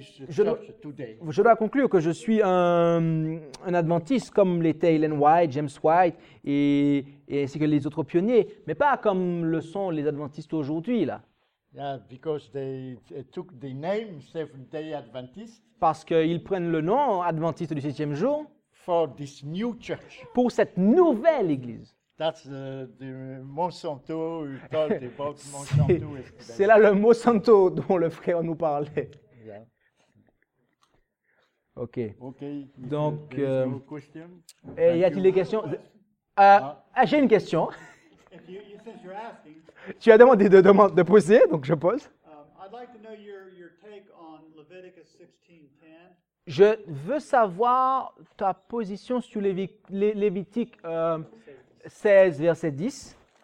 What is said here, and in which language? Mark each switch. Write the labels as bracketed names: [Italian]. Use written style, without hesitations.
[French] Je dois conclure que je suis un adventiste comme l'était Ellen White, James White et ainsi que les autres pionniers, mais pas comme le sont les adventistes aujourd'hui là. [English] Yeah, because they took the name Seventh-day Adventist. [French] Parce qu'ils prennent le nom adventiste du septième jour. [English] For this new church. [French] Pour cette nouvelle église. [English] That's the Monsanto you talked about. [French] C'est là le Monsanto dont le frère nous parlait. Yeah. Ok. Ok. Donc, y a-t-il des questions? J'ai une question. [English] Asking, [French] tu as demandé de poser, donc je pose. [English] I'd like to know your take on Leviticus 16:10. [French] Je veux savoir ta position sur Lévitique. 16, verset 10.